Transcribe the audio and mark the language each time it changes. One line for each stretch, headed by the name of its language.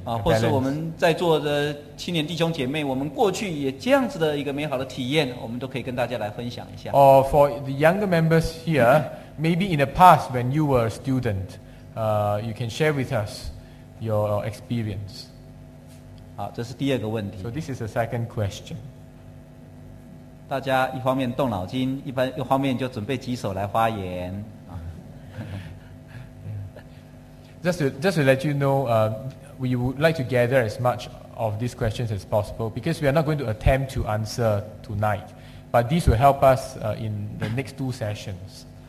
Chinese: 啊，或是我们在座的青年弟兄姐妹，我们过去也这样子的一个美好的体验，我们都可以跟大家来分享一下。
English: Or for the younger members here. Maybe in the past, when you were a student, you can share with us your experience.
Chinese: 好，这是第二个问题。
English: So this is the second question.
Chinese: 大家一方面动脑筋，一方面就准备举手来发言。
English: Just to let you know, we would like to gather as much of these questions as possible because we are not going to attempt to answer tonight. But this will help us in the next two sessions.